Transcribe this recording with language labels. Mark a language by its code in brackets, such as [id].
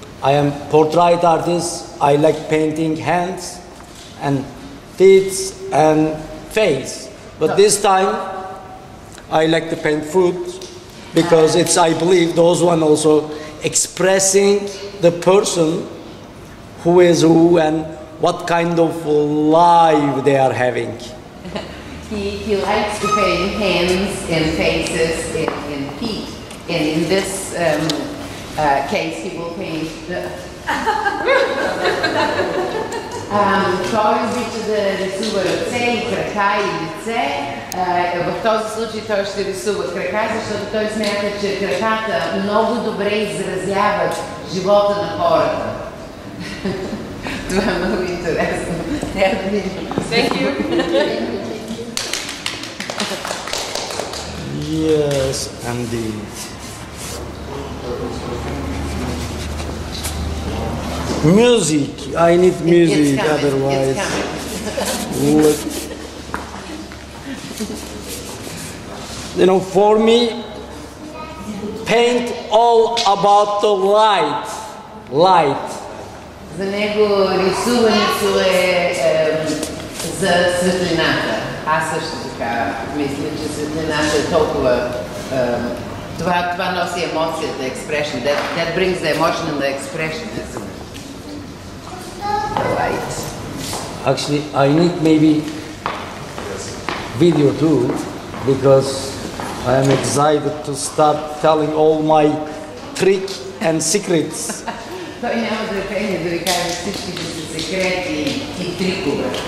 [en] I am portrait artist. I like painting hands and feet and face, but this time I like to paint food because it's, I believe, those one also expressing the person who is who and what kind of life they are having. He likes to paint hands and faces and feet, and in this case he will paint the [bg] Той обича да рисува ръце и крака и лице. В този случай той ще рисува крака, защото той смята, че краката много добре изразяват живота на хората. Това е много интересно. [en] Thank you. Yes, indeed. Music. I need music, it's otherwise. It's you know, for me, paint all about the light. Light. [bg] За него рисуването е за светлината. Аз също така мисля, че светлината е толкова. Това носи емоцията, expression. [en] That brings the emotion and the expression. Actually, I need maybe video too, because I am excited to start telling all my trick and secrets. [bg] Той няма търпение да ви кажа всичките си секрети и трикове.